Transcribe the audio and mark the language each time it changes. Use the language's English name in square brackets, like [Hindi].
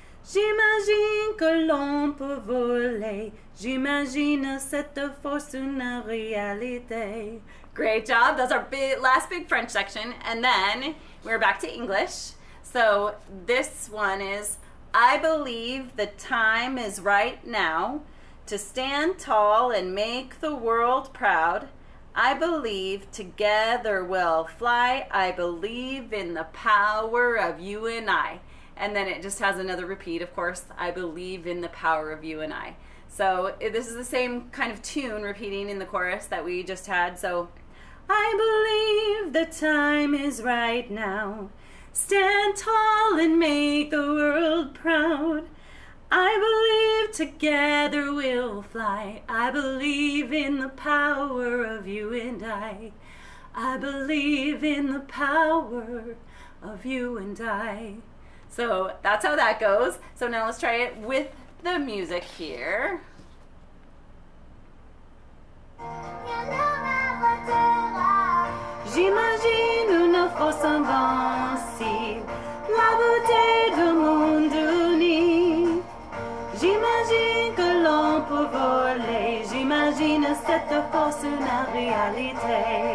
[French] J'imagine que l'on peut voler, j'imagine cette force une réalité. [English] Great job, that's our last big French section. And then we're back to English. So this one is, I believe the time is right now to stand tall and make the world proud. I believe together we'll fly. I believe in the power of you and I. And then it just has another repeat, of course. I believe in the power of you and I. So this is the same kind of tune repeating in the chorus that we just had. So I believe the time is right now. Stand tall and make the world proud. I believe together we'll fly. I believe in the power of you and I. I believe in the power of you and I. So that's how that goes. So now let's try it with the music here. [French] J'imagine une force invincible, la beauté du monde uni. J'imagine que l'on peut voler, j'imagine cette force une réalité.